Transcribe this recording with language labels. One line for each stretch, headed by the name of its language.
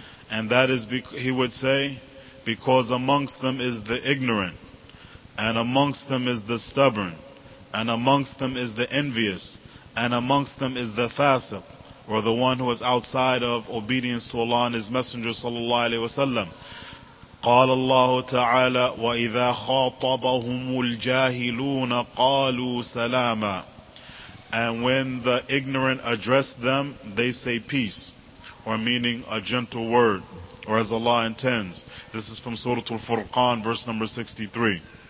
English: And that is, he would say, because amongst them is the ignorant, and amongst them is the stubborn, and amongst them is the envious, and amongst them is the fasiq, or the one who is outside of obedience to Allah and His Messenger sallallahu alaihi wasallam.
Arabic: قال الله تعالى وإذا خاطبهم الجاهلون قالوا سلاما.
English: And when the ignorant address them, they say peace, or meaning a gentle word, or as Allah intends. This is from Surah Al-Furqan, verse number 63.